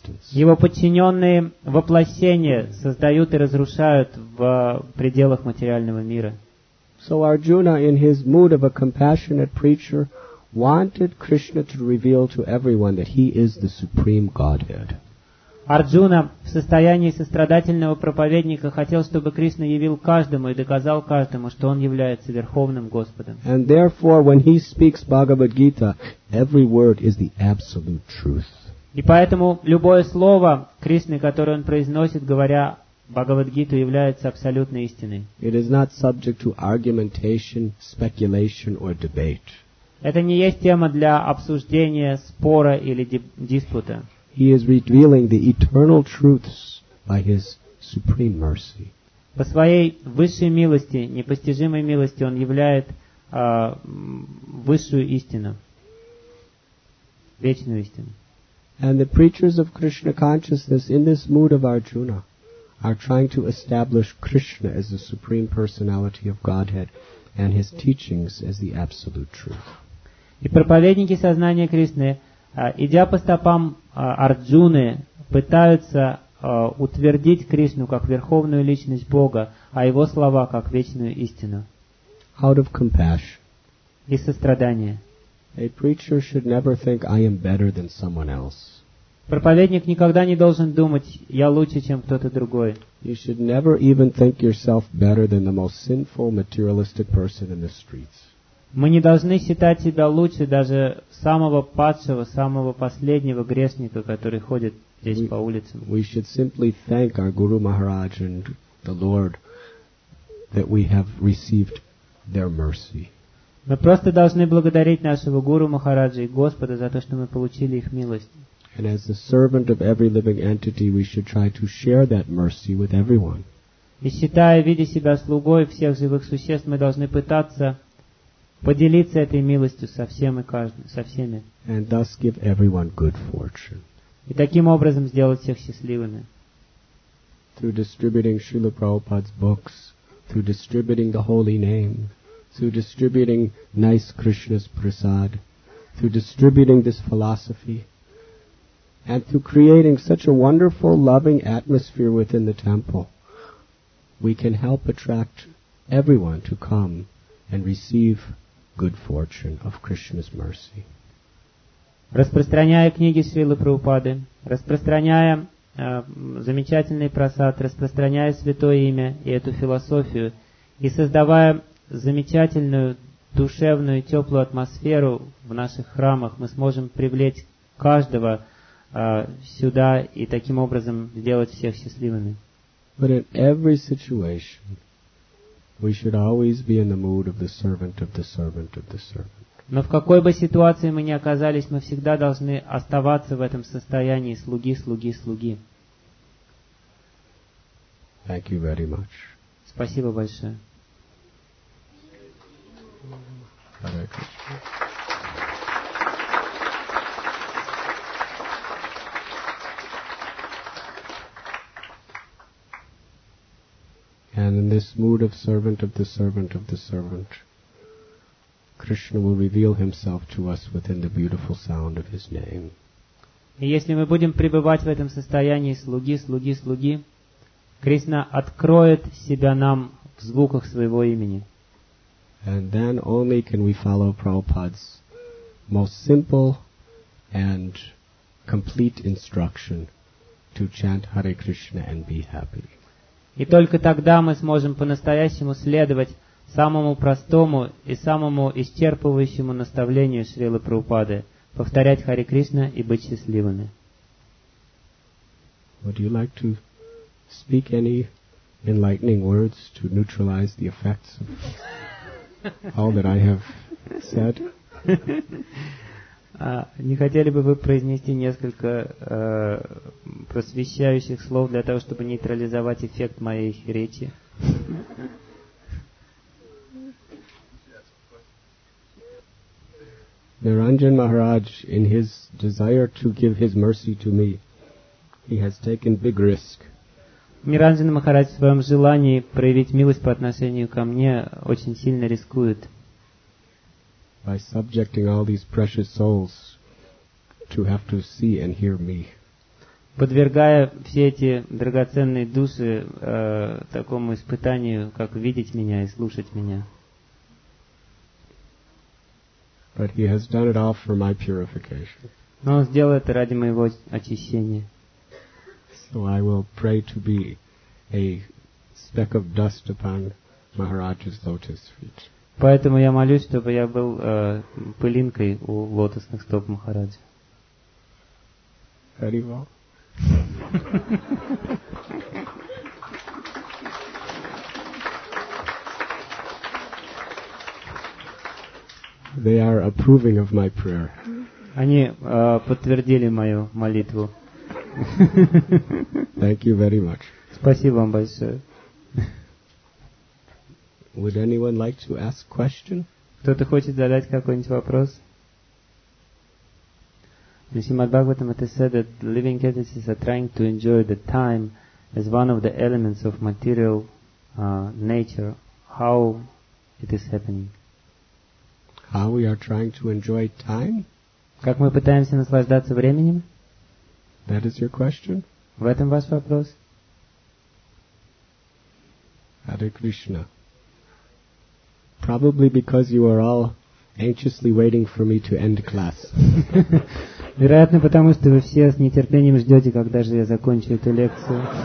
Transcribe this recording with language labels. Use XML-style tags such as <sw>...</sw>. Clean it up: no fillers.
<ru>Его подчиненные воплощения создают и разрушают в пределах материального мира.</ru> <en>So Arjuna, in his mood of a compassionate preacher, wanted Krishna to reveal to everyone that he is the supreme Godhead.</en> <ru>Арджуна в состоянии сострадательного проповедника хотел, чтобы Кришна явил каждому и доказал каждому, что он является Верховным Господом.</ru> <en>And therefore, when he speaks Bhagavad Gita, every word is the absolute truth.</en> <ru>И поэтому любое слово Кришны, которое он произносит, говоря Бхагавад Гиту, является абсолютной истиной.</ru> <en>It is not subject to argumentation, speculation or debate.</en> <ru>Это не есть тема для обсуждения, спора или диспута.</ru> <en>He is revealing the eternal truths by his supreme mercy.</en> <ru>По своей высшей милости, непостижимой милости, он являет высшую истину, вечную истину.</ru> <en>And the preachers of Krishna consciousness in this mood of Arjuna are trying to establish Krishna as the supreme personality of Godhead and his teachings as the absolute truth.</en> <ru>И проповедники сознания Кришны, идя по стопам Арджуны, пытаются утвердить Кришну как верховную личность Бога, а его слова как вечную истину.</ru> <en>Out of compassion.</en> <ru>Из сострадания.</ru> <en>A preacher should never think I am better than someone else.</en> <ru>Проповедник никогда не должен думать, я лучше, чем кто-то другой.</ru> <en>You should never even think yourself better than the most sinful materialistic person in the streets.</en> <ru>Мы не должны считать себя лучше даже самого падшего, самого последнего грешника, который ходит здесь по улицам.</ru> <en>We should simply thank our Guru Maharaj and the Lord that we have received their mercy.</en> <ru>Мы просто должны благодарить нашего Гуру Махараджа и Господа за то, что мы получили их милость.</ru> <en>And as the servant of every living entity, we should try to share that mercy with everyone.</en> <ru>И считая, видя себя слугой всех живых существ, мы должны пытаться поделиться этой милостью со всем и каждым, со всеми.</ru> <en>And thus give everyone good fortune.</en> <ru>И таким образом сделать всех счастливыми.</ru> <en>through distributing Srila Prabhupada's books, through distributing the holy name, through distributing nice Krishna's prasad, through distributing this philosophy, and through creating such a wonderful, loving atmosphere within the temple, we can help attract everyone to come and receive good fortune of Krishna's mercy.</en> <ru>Распространяя книги Шрилы Прабхупады, распространяя замечательный просад, распространяя святое имя и эту философию, и создавая замечательную, душевную, теплую атмосферу в наших храмах, мы сможем привлечь каждого сюда и таким образом сделать всех счастливыми.</ru> <en>But in every situation, we should always be in the mood of the servant of the servant of the servant.</en> <ru>Но в какой бы ситуации мы ни оказались, мы всегда должны оставаться в этом состоянии слуги, слуги, слуги.</ru> <en>Thank you very much.</en> <ru>Спасибо большое.</ru> <en>Hare Krishna. And in this mood of servant of the servant of the servant, Krishna will reveal himself to us within the beautiful sound of his name.</en> <ru>И если мы будем пребывать в этом состоянии слуги, слуги, слуги, Кришна откроет себя нам в звуках своего имени.</ru> <en>And then only can we follow Prabhupada's most simple and complete instruction to chant Hare Krishna and be happy.</en> <ru>И только тогда мы сможем по-настоящему следовать самому простому и самому исчерпывающему наставлению Шрилы Прабхупады — повторять Харе Кришна и быть счастливыми.</ru> <en>Would you like to speak any enlightening words to neutralize the effects of all that I have said?</en> <ru>Не хотели бы вы произнести несколько просвещающих слов для того, чтобы нейтрализовать эффект моей речи?</ru> <en>Niranjan Maharaj, in his desire to give his mercy to me, he has taken big risk.</en> <ru>Niranjan Maharaj в своем желании проявить милость по отношению ко мне очень сильно рискует.</ru> <en>By subjecting all these precious souls to have to see and hear me.</en> <ru>Подвергая все эти драгоценные души такому испытанию, как видеть меня и слушать меня.</ru> <en>But he has done it all for my purification.</en> <ru>Но он сделал это ради моего очищения.</ru> <en>So I will pray to be a speck of dust upon Maharaj's lotus feet.</en> <ru>Поэтому я молюсь, чтобы я был пылинкой у лотосных стоп Махараджа.</ru> <en>Hare Krishna. They are approving of my prayer.</en> <ru>Они подтвердили мою молитву.</ru> <en>Thank you very much.</en> <ru>Спасибо вам большое.</ru> <en>Would anyone like to ask question?</en> <ru>Кто-то хочет задать какой-нибудь вопрос?</ru> <en>The Srimad Bhagavatam said that living entities are trying to enjoy the time as one of the elements of material nature. How it is happening? How we are trying to enjoy time?</en> <ru>Как мы пытаемся наслаждаться временем?</ru> <en>That is your question?</en> <ru>В этом ваш вопрос?</ru> <en>Hare Krishna. Probably because you are all anxiously waiting for me to end class.</en> <ru>Вероятно, потому что вы все с нетерпением ждете, когда же я закончу эту лекцию.</ru>